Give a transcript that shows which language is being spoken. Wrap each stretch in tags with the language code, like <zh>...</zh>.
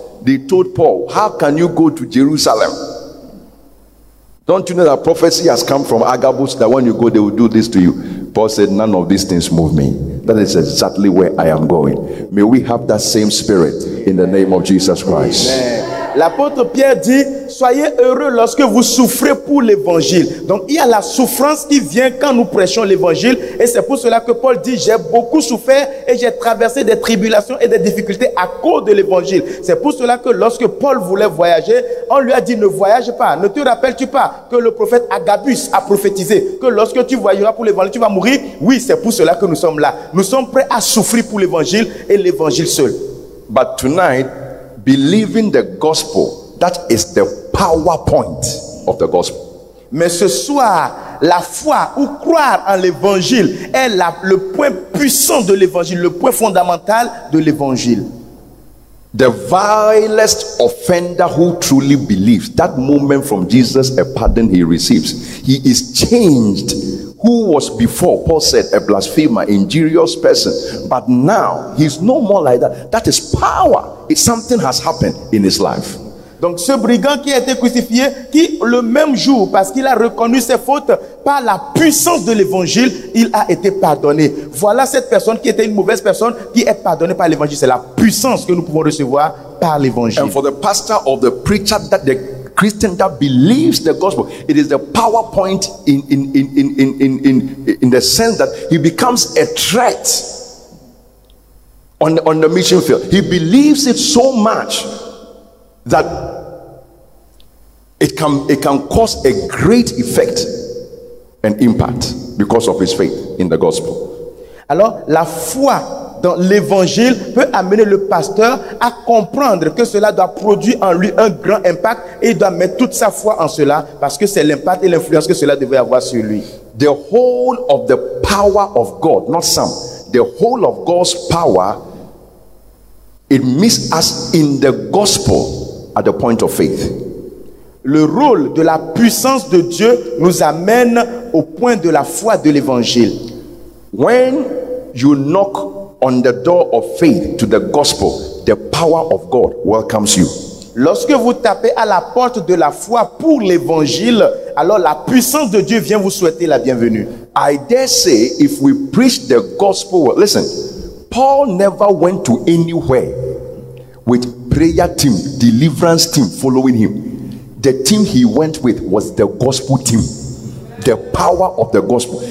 <en>They told Paul, how can you go to Jerusalem? Don't you know that prophecy has come from Agabus that when you go, they will do this to you? Paul said, none of these things move me. That is exactly where I am going. May we have that same spirit in the name of Jesus Christ.</en> <fr>L'apôtre Pierre dit, soyez heureux lorsque vous souffrez pour l'évangile. Donc il y a la souffrance qui vient quand nous prêchons l'évangile. Et c'est pour cela que Paul dit, j'ai beaucoup souffert et j'ai traversé des tribulations et des difficultés à cause de l'évangile. C'est pour cela que lorsque Paul voulait voyager, on lui a dit, ne voyage pas. Ne te rappelles-tu pas que le prophète Agabus a prophétisé que lorsque tu voyageras pour l'évangile, tu vas mourir? Oui, c'est pour cela que nous sommes là. Nous sommes prêts à souffrir pour l'évangile et l'évangile seul.</fr> <en>But tonight, believing the gospel, that is the power point of the gospel.</en> <fr>Mais ce soir, la foi ou croire en l'évangile est le point puissant de l'évangile, le point fondamental de l'évangile.</fr> <en>The vilest offender who truly believes, that moment from Jesus, a pardon he receives, he is changed. Who was before, Paul said, a blasphemer, injurious person, but now he's no more like that. That is power. It's something has happened in his life.</en> <fr>Donc ce brigand qui a été crucifié, qui le même jour, parce qu'il a reconnu ses fautes par la puissance de l'évangile, il a été pardonné. Voilà cette personne qui était une mauvaise personne, qui est pardonnée par l'évangile. C'est la puissance que nous pouvons recevoir par l'évangile.</fr> <en>And for the pastor or the preacher, that the Christian that believes the gospel, it is the power point in the sense that he becomes a threat on the mission field. He believes it so much that it can cause a great effect and impact because of his faith in the gospel.</en> <fr>Alors, la foi dans l'évangile peut amener le pasteur à comprendre que cela doit produire en lui un grand impact et il doit mettre toute sa foi en cela parce que c'est l'impact et l'influence que cela devait avoir sur lui.</fr> <en>The whole of the power of God, not some, the whole of God's power, it meets us in the gospel. At the point of faith,</en> <fr>le rôle de la puissance de Dieu nous amène au point de la foi de l'évangile.</fr> <en>When you knock on the door of faith to the gospel, the power of God welcomes you.</en> <fr>Lorsque vous tapez à la porte de la foi pour l'évangile, alors la puissance de Dieu vient vous souhaiter la bienvenue.</fr> <en>I dare say, if we preach the gospel, listen, Paul never went to anywhere with prayer team, deliverance team following him. The team he went with was the gospel team. The power of the gospel.</en>